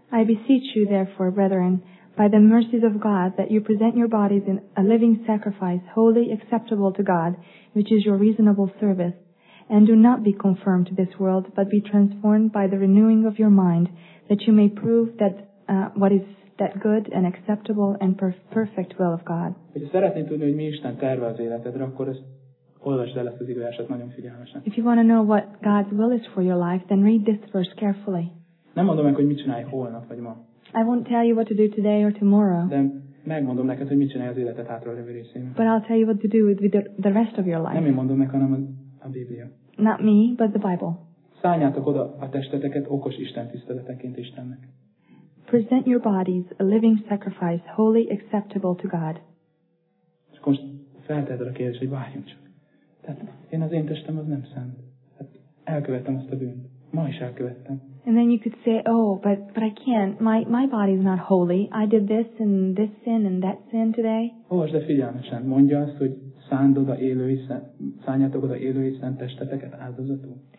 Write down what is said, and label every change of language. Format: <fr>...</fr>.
<en>I beseech you therefore, brethren, by the mercies of God, that you present your bodies in a living sacrifice, holy, acceptable to God, which is your reasonable service. and do not be conformed to this world, but be transformed by the renewing of your mind, that you may prove that what is that good and acceptable and perfect will of God.</en> <hu>Hogyha szeretnéd tudni, hogy mi Isten terve az életedre, akkor ezt olvasd el, ezt az igeverset nagyon figyelmesen.</hu> <en>If you want to know what God's will is for your life, then read this verse carefully.</en> <hu>Nem mondom meg, hogy mit csinálj holnap vagy ma.</hu> <en>I won't tell you what to do today or tomorrow.</en> <hu>De megmondom neked, hogy mit csinálj az életed hátra lévő részében.</hu> <en>But I'll tell you what to do with the rest of your life.</en> <hu>Nem én mondom meg, hanem a Biblia.</hu> <en>Not me, but the Bible.</en> <hu>Szálljátok oda a testeteket okos Isten tiszteleteként Istennek.</hu> <en>Present your bodies a living sacrifice, holy, acceptable to God.</en> <hu>És most felteheted a kérdést, hogy várjunk csak. Tehát én az én testem az nem szent. Hát elkövettem azt a bűnt. Ma is elkövettem.</hu> <en>And then you could say, oh, but I can't. My body is not holy. I did this and this sin and that sin today.</en> <hu>Olvasd de figyelmesen. Mondja azt, hogy szálljátok oda élő és szent testeteket áldozatul.</hu>